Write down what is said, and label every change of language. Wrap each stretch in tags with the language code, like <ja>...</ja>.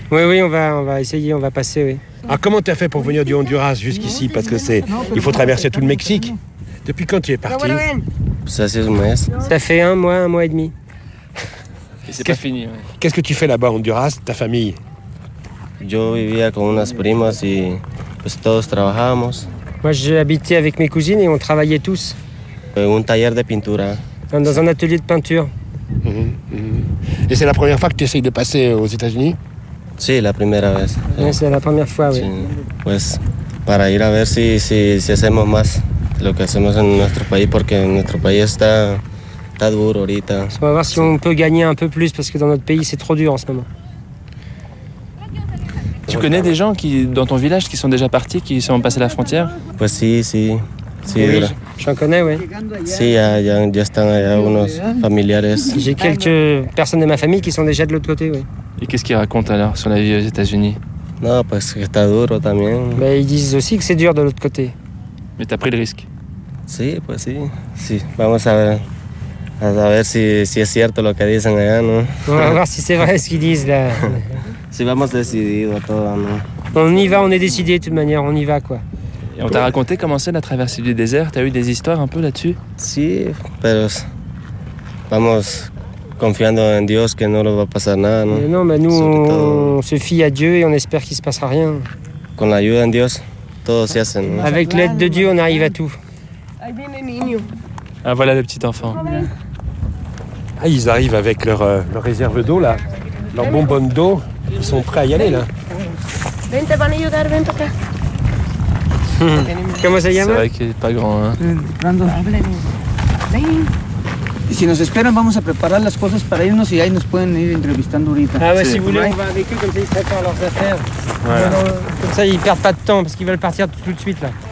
<fr>Oui, on va essayer, on va passer, oui. Alors comment tu as fait pour venir du Honduras jusqu'ici? Parce que il faut traverser tout le Mexique. Depuis quand tu es parti? Ça fait un mois. Ça fait un mois et demi. Et c'est pas fini. Ouais. Qu'est-ce que tu fais là-bas, Honduras, ta famille?</fr> <es>Yo vivía con unas primas y pues todos trabajamos.</es> <fr>Moi, j'habitais avec mes cousines et on travaillait tous.</fr> <es>Un taller de pintura.</es> <fr>Dans un atelier de peinture. Mm-hmm. Et c'est la première fois que tu essayes de passer aux États-Unis?</fr> <es>Sí, la primera vez.</es> <fr>Ouais, c'est la première fois, oui. Sí.</fr> <es>Pues para ir a ver si hacemos más lo que hacemos en nuestro país, porque nuestro país está.</es> <fr>On va voir si on peut gagner un peu plus parce que dans notre pays c'est trop dur en ce moment. Tu connais des gens qui dans ton village qui sont déjà partis, qui sont passés la frontière?</fr> <es>Pues si.</es> <fr>Oui, j'en connais, oui.</fr> <es>Si, ya están allá unos familiares.</es> <fr>J'ai quelques personnes de ma famille qui sont déjà de l'autre côté, oui. Et qu'est-ce qu'ils racontent alors sur la vie aux États-Unis? Non, parce que</fr> <es>está duro también.</es> <fr>Ben, ils disent aussi que c'est dur de l'autre côté. Mais t'as pris le risque?</fr> <es>Si, pues si. Si, vamos a ver. A ver si es cierto lo que dicen allá, ¿no?</es> <fr>On va voir si c'est vrai ce qu'ils disent là.</fr> <es>Si vamos decidido todo, ¿no?</es> <fr>On y va, on est décidé de toute manière, on y va quoi. Et on t'a raconté comment c'est la traversée du désert, t'as eu des histoires un peu là-dessus?</fr> <es>Si, pero vamos confiando en Dios que no lo va a pasar nada, ¿no?</es> <fr>Non, mais nous on se fie à Dieu et on espère qu'il se passera rien.</fr> <es>Con la ayuda de Dios, todo se hace, ¿no?</es> <fr>Avec l'aide de Dieu, on arrive à tout. Ah, voilà le petit enfant. Ah, ils arrivent avec leur réserve d'eau, là. Leur bonbonne d'eau. Ils sont prêts à y aller, là. Comment ça y est? C'est vrai qu'il n'est pas grand, hein.</fr> <es>Si nous esperan, vamos a preparar las cosas para irnos y ahí nos pueden ir entrevistando ahorita.</es> <fr>Ah ouais, si vous voulez, on va avec eux, comme ça ils préparent leurs affaires. Voilà. Comme ça, ils ne perdent pas de temps, parce qu'ils veulent partir tout de suite, là.</fr>